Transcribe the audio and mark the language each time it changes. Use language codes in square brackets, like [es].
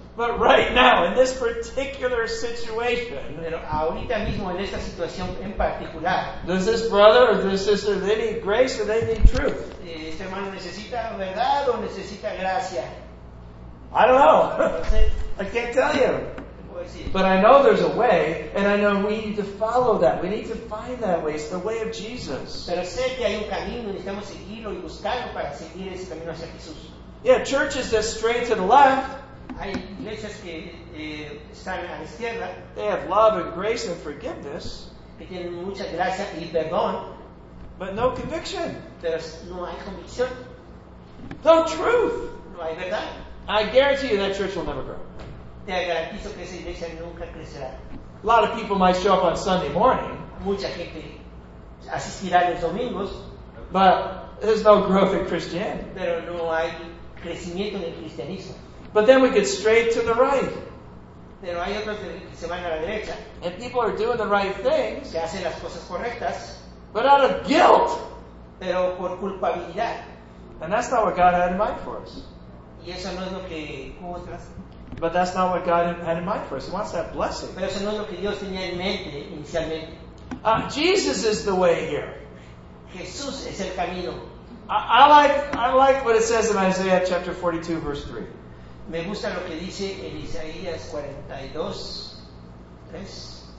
[en] But right now, in this particular situation, [es] pero ahorita mismo, en esta situación en particular, [en] does this brother or this sister, they need grace or they need truth? [es] ¿Este hermano necesita verdad o necesita gracia? [en] I don't know. I can't tell you. But I know there's a way, and I know we need to follow that. We need to find that way. It's the way of Jesus. [es] Pero sé que hay un camino, necesitamos seguirlo y buscarlo para seguir ese camino hacia Jesús. [en] Yeah, churches that stray to the left, [es] hay iglesias que están a la izquierda. [en] They have love and grace and forgiveness. [es] Que tienen mucha gracia y perdón. [en] But no conviction. [es] Pero no hay convicción. [en] No truth. [es] No hay verdad. [en] I guarantee you that church will never grow. [es] Te garantizo que esa iglesia nunca crecerá. [en] A lot of people might show up on Sunday morning. [es] Mucha gente asistirá los domingos. [en] But there's no growth in Christianity. [es] Pero no hay crecimiento en el cristianismo. [en] But then we get straight to the right. [es] Pero hay otros que se van a la derecha. [en] And people are doing the right things. [es] Que hacen las cosas correctas. [en] But out of guilt. [es] Pero por culpabilidad. [en] And that's not what God had in mind for us. [es] Y eso no es lo que hubo tras. [en] But that's not what God had in mind for us. He wants that blessing. [es] Pero eso no es lo que Dios tenía en mente inicialmente. [en] Jesus is the way here. [es] Jesús es el camino. [en] I like what it says in Isaiah chapter 42 verse 3. [es] Me gusta lo que dice en Isaías 42 3.